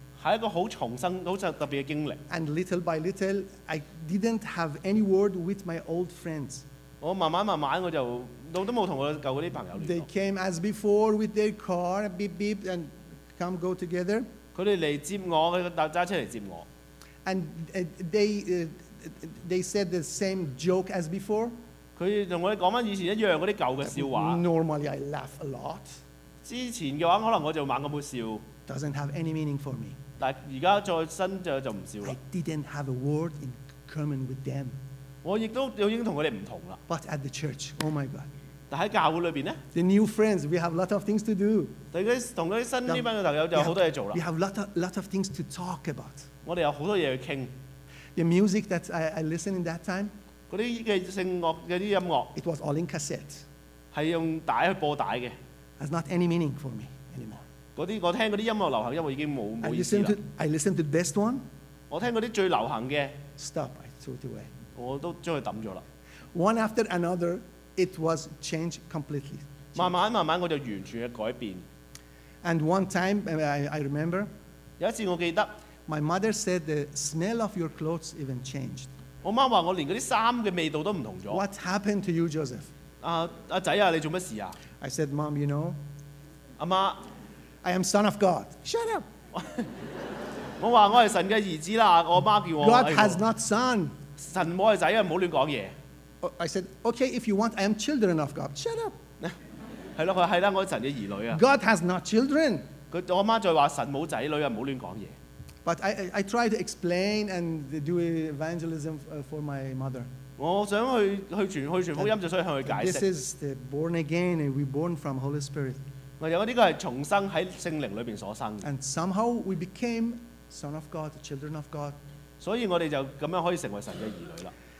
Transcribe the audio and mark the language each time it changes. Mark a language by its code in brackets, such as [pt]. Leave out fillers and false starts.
[yue] 係一個好重生、好特別嘅經歷。 [en] And little by little, I didn't have any word with my old friends. [yue] 我慢慢慢慢我就都冇同我舊嗰啲朋友聯絡。 [en] They came as before with their car, beep beep, and come go together. [yue] 佢哋嚟接我，佢揸車嚟接我。 [en] And they said the same joke as before. [yue] 佢同我哋講翻以前一樣嗰啲舊嘅笑話。 [en] Normally I laugh a lot. [yue] 之前嘅話可能我就猛咁會笑。 [en] Doesn't have any meaning for me. [yue] 但而家再新就唔笑啦。 [en] I didn't have a word in common with them. [yue] 我亦都已經同佢哋唔同啦。 [en] But at the church, oh my God. [yue] 但喺教會裏邊咧 [en] ，the new friends, we have lot of things to do. [yue] 同嗰啲新呢班嘅朋友就好多嘢做啦。 [en] We have lot of things to talk about. [yue] 我哋有好多嘢去傾。 [en] The music that I listened in that time. [yue] 嗰啲嘅聖樂嘅啲音樂 [en] ，it was all in cassette. [yue] 係用帶去播帶嘅。 [en] Has not any meaning for me. [yue] 嗰啲我聽嗰啲音樂流行音樂已經冇意思啦。 [en] I listen to the best one。 [yue] 我聽嗰啲最流行嘅。 [en] Stop! I threw it away。 [yue] 我都將佢抌咗啦。 [en] One after another, it was changed completely。 [yue] 慢慢慢慢，我就完全嘅改變。 [en] And one time, I remember。 [yue] 有一次我記得。 [en] My mother said the smell of your clothes even changed。 [yue] 我媽話我連嗰啲衫嘅味道都唔同咗。 [en] What happened to you, Joseph？ [yue] 阿仔啊，你做乜事啊 [en] ？I said, Mom, you know。 [yue] 阿媽。 [en] I am son of God. Shut up. [yue] 我話我係神嘅兒子啦。我媽叫我。 [en] God has not son. [yue] 神冇係仔，唔好亂講嘢。 [en] I said, okay, if you want, I am children of God. Shut up. [yue] 係咯，佢係啦，我係神嘅兒女啊。 [en] God has not children. [yue] 佢我媽再話神冇仔女啊，唔好亂講嘢。 [en] But I try to explain and do evangelism for my mother. [yue] 我想去傳福音，就所以向佢解釋。 [en] This is the born again and reborn from Holy Spirit. [yue] 有呢個係重生喺聖靈裏邊所生嘅。 [en] And somehow we became son of God, children of God. [yue] 所以我哋就咁樣可以成為神嘅兒女啦。